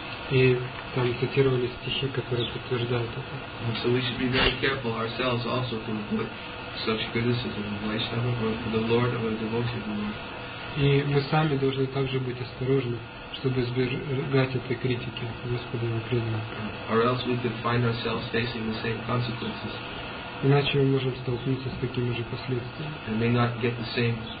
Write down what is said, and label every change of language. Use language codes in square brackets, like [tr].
[ru] И там цитировали стихи, которые подтверждают это. [en] So we should be very careful ourselves also to avoid such criticism of Vaishnava for the Lord or the devotee of the Lord. [ru] И мы сами должны также быть осторожны, чтобы избегать этой критики Господа и преданного. Иначе мы можем столкнуться с такими же последствиями.